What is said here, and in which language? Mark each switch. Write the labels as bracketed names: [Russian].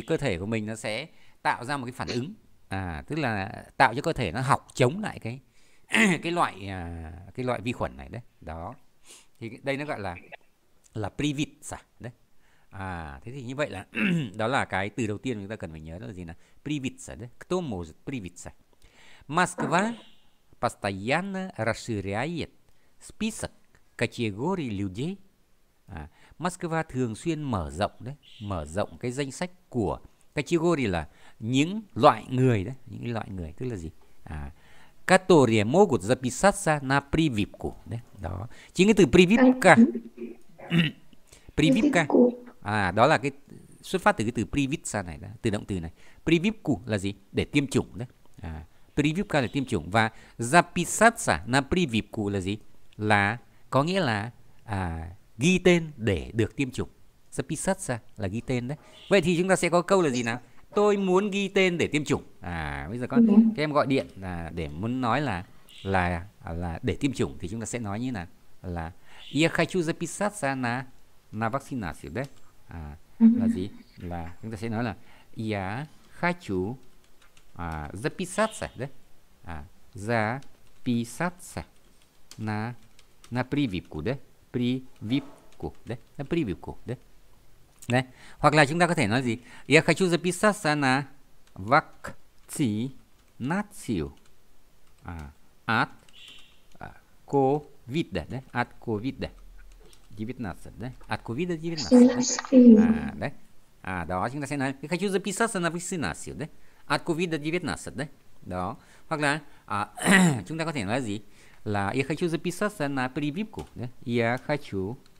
[Vietnamese] Cơ thể của mình nó sẽ tạo ra một cái phản ứng, tức là tạo cho cơ thể nó học chống lại cái loại vi khuẩn này đấy. Đó. Thì đây nó gọi là privit sa đấy. Thế thì như vậy là đó là cái từ đầu tiên chúng ta cần phải nhớ, đó là gì nào? [Russian] Privit sa đấy. Кто может привиться? Москва постоянно расширяет список категорий людей. [Vietnamese] Москва thường xuyên mở rộng đấy, mở rộng cái danh sách của category là những loại người đấy, những loại người tức là gì? [Russian] Которые могут записаться на прививку. [Vietnamese] Đấy, đó. Chính cái từ прививка. [Russian] Прививка. [Vietnamese] Đó là cái xuất phát từ cái từ прививка này đó, từ động từ này. Прививку là gì? Để tiêm chủng đấy. Прививка là tiêm chủng, và [Russian] записаться на прививку [Vietnamese] là gì? Là có nghĩa là ghi tên để được tiêm chủng. Записаться là ghi tên đấy. Vậy thì chúng ta sẽ có câu là gì nào? Tôi muốn ghi tên để tiêm chủng. Bây giờ con các em gọi điện để muốn nói là để tiêm chủng thì chúng ta sẽ nói như nào? [Russian] Là я хочу записаться на вакцинацию đấy. [Vietnamese] Là gì? Là chúng ta sẽ nói là [Russian] я хочу записаться [Vietnamese] đấy. [Russian] Записаться на прививку đấy. Прививку đấy. На прививку đấy. [Vietnamese] Đấy. Hoặc là chúng ta có thể nói gì? [Russian] Я хочу записаться на вакцинацию от COVID đấy, от COVID đấy. 19 đấy, от COVID-19 đấy. [Vietnamese] Đấy. Đó chúng ta sẽ nói [Russian] я хочу записаться на вакцинацию đấy, от COVID-19 đấy. Đó. [Vietnamese] Hoặc là chúng ta có thể nói gì? [Russian] Là я хочу записаться на прививку, đấy. Я хочу